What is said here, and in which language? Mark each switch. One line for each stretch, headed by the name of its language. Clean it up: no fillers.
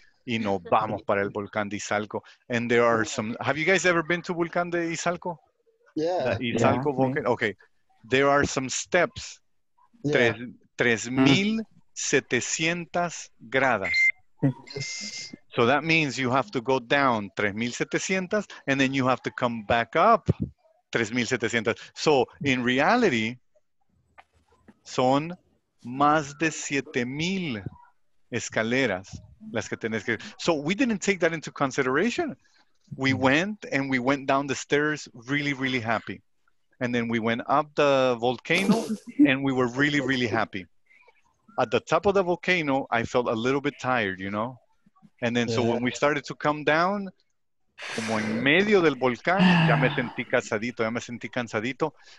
Spanish: Y no, vamos para el volcán de Izalco.
English: And there are some, have you guys ever been to volcán de Izalco? Yeah. Izalco volcán. Okay. There are some steps. Yeah.
Spanish: 3,700 gradas.
English: So that means you have to go down 3,700 and then you have to come back up 3,700. So in reality,
Spanish: son más de 7,000 escaleras las que tenés que...
English: So we didn't take that into consideration. We went and we went down the stairs really, really happy. And then we went up the volcano and we were really, really happy. At the top of the volcano, I felt a little bit tired, you know? And then so when we started to come down,
Spanish: como en medio del volcán, ya me sentí cansadito.